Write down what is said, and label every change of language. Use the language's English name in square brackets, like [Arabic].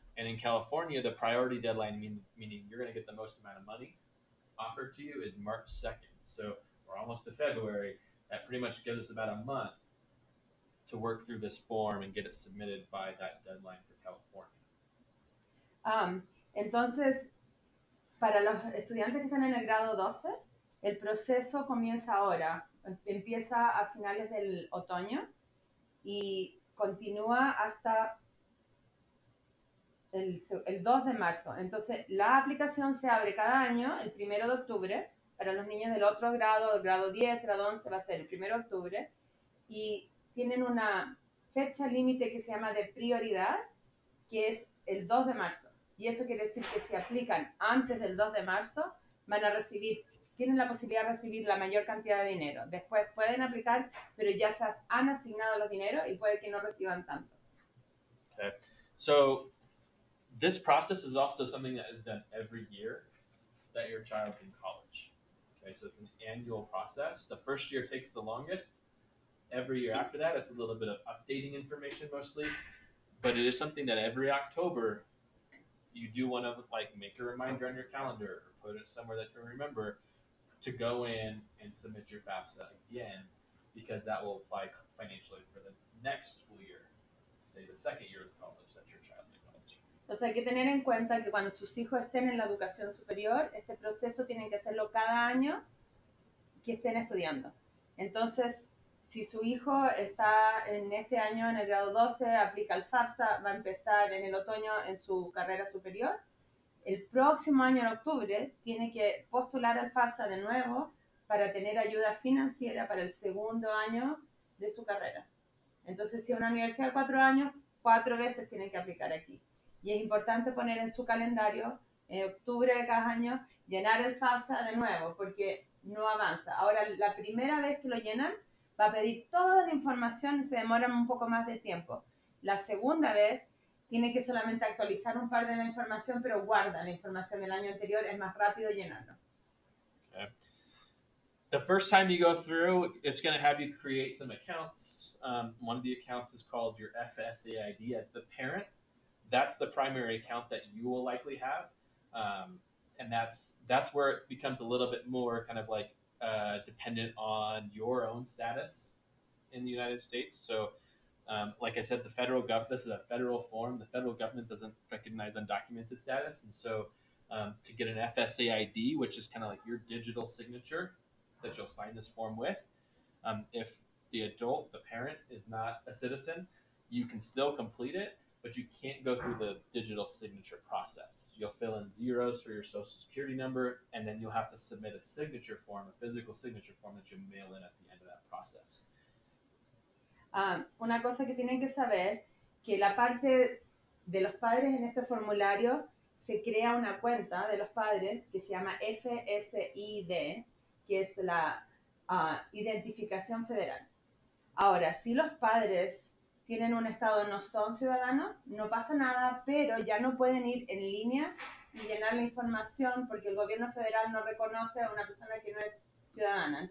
[English] And in California, the priority deadline, meaning you're going to get the most amount of money offered to you, is March 2nd. So we're almost to February. That pretty much gives us about a month to work through this form and get it submitted by that deadline for California. [Spanish] Entonces, para los estudiantes que están en el grado 12, el proceso comienza ahora. Empieza a finales del otoño y continúa hasta el 2 de marzo. Entonces, la aplicación se abre cada año el 1 de octubre. Para los niños del otro grado, grado 10, grado 11, va a ser el 1 de octubre. Y tienen una fecha límite que se llama de prioridad, que es el 2 de marzo. Y eso quiere decir que si aplican antes del 2 de marzo, van a recibir, tienen la posibilidad de recibir la mayor cantidad de dinero. Después pueden aplicar, pero ya se han asignado los dineros y puede que no reciban tanto. [English] Okay. So, this process is also something that is done every year that your child is in college. Okay, so it's an annual process. The first year takes the longest. Every year after that, it's a little bit of updating information mostly. But it is something that every October, you do want to like make a reminder on your calendar or put it somewhere that you remember to go in and submit your FAFSA again, because that will apply financially for the next school year, say the second year of college that your child's in college. [Spanish] Entonces hay que tener en cuenta que cuando sus hijos estén en la educación superior, este proceso tienen que hacerlo cada año que estén estudiando. Entonces, si su hijo está en este año en el grado 12, aplica el FAFSA, va a empezar en el otoño en su carrera superior. El próximo año, en octubre, tiene que postular al FAFSA de nuevo para tener ayuda financiera para el segundo año de su carrera. Entonces, si es una universidad de 4 años, 4 veces tiene que aplicar aquí. Y es importante poner en su calendario, en octubre de cada año, llenar el FAFSA de nuevo, porque no avanza. Ahora, la primera vez que lo llenan, va a pedir toda la información, se demora un poco más de tiempo. La segunda vez, tiene que solamente actualizar un par de la información, pero guarda la información del año anterior, es más rápido llenarlo. [English] Okay. The first time you go through, it's going to have you create some accounts. One of the accounts is called your FSA ID as the parent. That's the primary account that you will likely have. And that's where it becomes a little bit more kind of like dependent on your own status in the United States. So, like I said, the federal government, this is a federal form. The federal government doesn't recognize undocumented status. And so to get an FSA ID, which is kind of like your digital signature that you'll sign this form with, if the adult, the parent, is not a citizen, you can still complete it. but you can't go through the digital signature process. You'll fill in zeros for your social security number, and then you'll have to submit a signature form, a physical signature form that you mail in at the end of that process. [Spanish] Una cosa que tienen que saber, que la parte de los padres en este formulario se crea una cuenta de los padres que se llama FSID, que es la identificación federal. Ahora, si los padres tienen un estado, no son ciudadanos, no pasa nada, pero ya no pueden ir en línea y llenar la información porque el gobierno federal no reconoce a una persona que no es ciudadana.